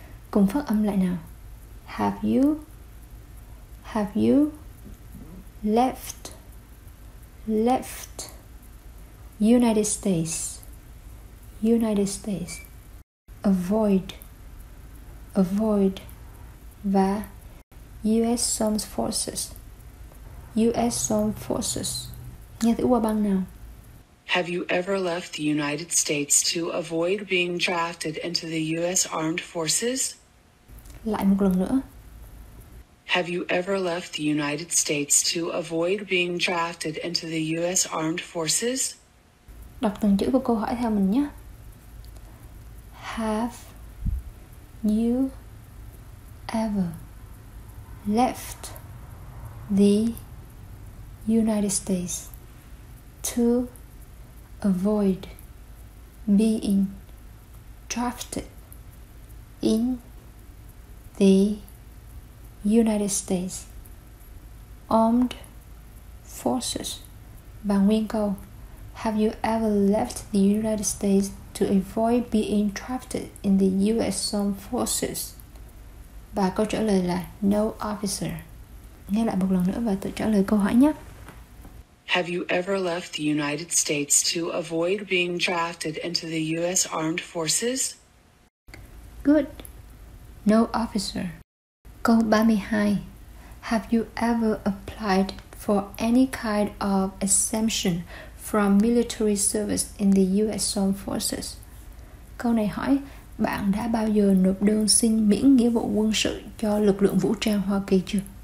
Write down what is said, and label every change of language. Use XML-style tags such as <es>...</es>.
<vi>Cùng phát âm lại nào.</vi> <en>Have you left United States. Avoid và US Armed Forces.</en> <vi>Nghe thử qua băng nào.</vi> <en>Have you ever left the United States to avoid being drafted into the US Armed Forces?</en> <vi>Lại một lần nữa.</vi> <en>Have you ever left the United States to avoid being drafted into the US Armed Forces?</en> <vi>Đọc từng chữ của câu hỏi theo mình nhé.</vi> <en>Have you ever left the United States to avoid being drafted in the United States Armed Forces?</en> <vi>Và nguyên câu,</vi> <en>have you ever left the United States to avoid being drafted in the US Armed Forces?</en> <vi>Và câu trả lời là</vi> <en>no, officer.</en> <vi>Nghe lại một lần nữa và tự trả lời câu hỏi nhé.</vi> <en>Have you ever left the United States to avoid being drafted into the US Armed Forces? Good. No, officer.</en> <vi>Câu 32.</vi> <en>Have you ever applied for any kind of exemption from military service in the US Armed Forces?</en> <vi>Câu này hỏi, bạn đã bao giờ nộp đơn xin miễn nghĩa vụ quân sự cho lực lượng vũ trang Hoa Kỳ chưa?</vi>